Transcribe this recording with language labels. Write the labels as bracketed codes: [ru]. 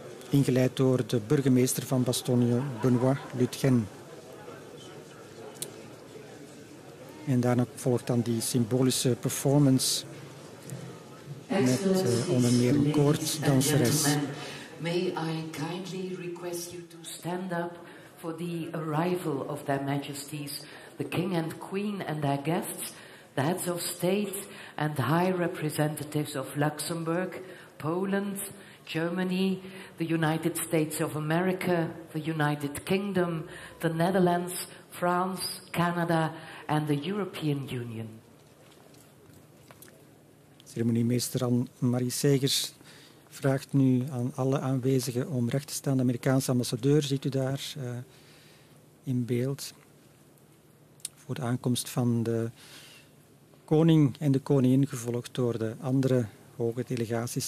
[nl] Ingeleid door de burgemeester van Bastogne, Benoît Lutgen. En daarna volgt dan die symbolische performance met onder meer een koorddanseres. [en] May I kindly request you to stand up for the arrival of their majesties, the king and queen and their guests, the heads of state and high representatives of Luxembourg, Poland, Germany, the United States of America, the United Kingdom, the Netherlands, France, Canada and the European Union. [nl] Ceremoniemeester Anne-Marie Segers vraagt nu aan alle aanwezigen om recht te staan. De Amerikaanse ambassadeur ziet u daar in beeld voor de aankomst van de koning en de koningin, gevolgd door de andere hoge delegaties.